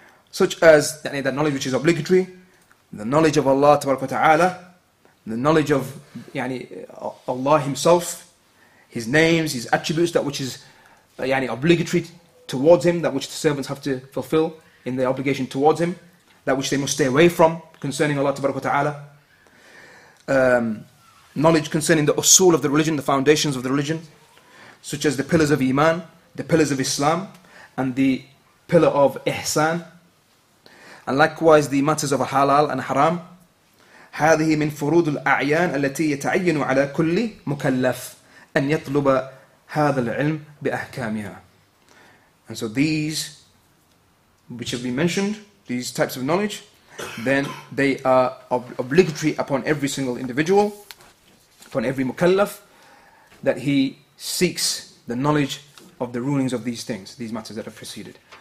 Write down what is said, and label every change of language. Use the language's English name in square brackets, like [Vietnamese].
[English] Such as the knowledge which is obligatory, the knowledge of Allah Tabaraka wa Ta'ala, the knowledge of Allah Himself, His names, His attributes, that which is obligatory towards Him, that which the servants have to fulfill in their obligation towards Him, that which they must stay away from concerning Allah Tabaraka wa Ta'ala. Knowledge concerning the usul of the religion, the foundations of the religion, such as the pillars of Iman, the pillars of Islam, and the pillar of Ihsan, and likewise the matters of halal and haram. [Arabic] هذه من فروض الأعيان التي يتعين على كل مكلف أن يطلب هذا العلم بأحكامها. [English] And so these, which have been mentioned, these types of knowledge, then they are obligatory upon every single individual, upon every mukallaf, that he seeks the knowledge of the rulings of these things, these matters that have preceded.